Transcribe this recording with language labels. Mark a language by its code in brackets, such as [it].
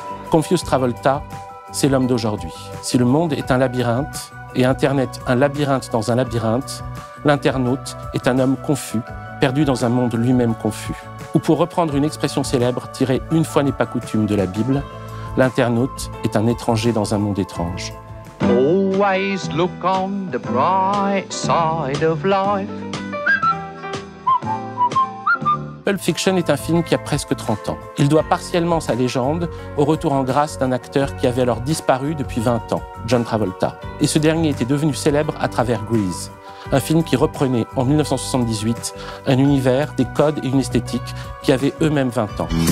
[fr] Confused Travolta, c'est l'homme d'aujourd'hui. Si le monde est un labyrinthe, et Internet un labyrinthe dans un labyrinthe, l'internaute est un homme confus, perdu dans un monde lui-même confus. Ou pour reprendre une expression célèbre tirée une fois n'est pas coutume de la Bible, l'internaute est un étranger dans un monde étrange. [en] Always look on the bright side of life. [fr] Pulp Fiction est un film qui a presque 30 ans. Il doit partiellement sa légende au retour en grâce d'un acteur qui avait alors disparu depuis 20 ans, John Travolta. Et ce dernier était devenu célèbre à travers Grease, un film qui reprenait en 1978 un univers, des codes et une esthétique qui avaient eux-mêmes 20 ans.